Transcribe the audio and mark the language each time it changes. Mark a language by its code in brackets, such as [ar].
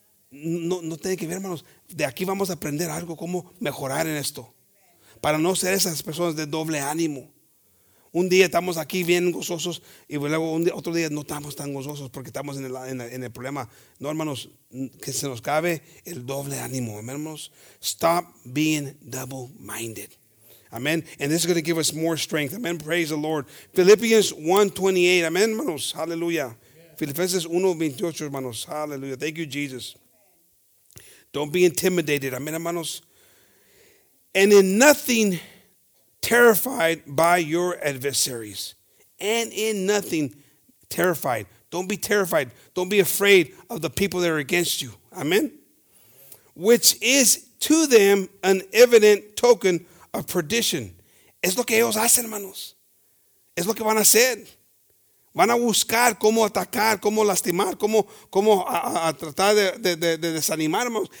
[es] No tiene que ver, hermanos. De aquí vamos a aprender algo, cómo mejorar en esto. Para no ser esas personas de doble ánimo. Un día estamos aquí bien gozosos y luego otro día no estamos tan gozosos porque estamos en el problema. No, hermanos, que se nos cabe el doble ánimo. Amén, hermanos. [en] Stop being double-minded. Amen. And this is going to give us more strength. Amen. Praise the Lord. Philippians 1:28. [es] Amen, hermanos. [en] Hallelujah. [es] Filipenses 1:28, hermanos. [en] Hallelujah. Thank you, Jesus. Don't be intimidated. [es] Amen, hermanos. [en] And in nothing terrified by your adversaries. And in nothing terrified. Don't be terrified. Don't be afraid of the people that are against you. Amen. Which is to them an evident token of perdition. [es] Es lo que ellos hacen, hermanos. Es lo que van a hacer. Van a buscar cómo atacar, cómo lastimar, cómo tratar de desanimar, hermanos.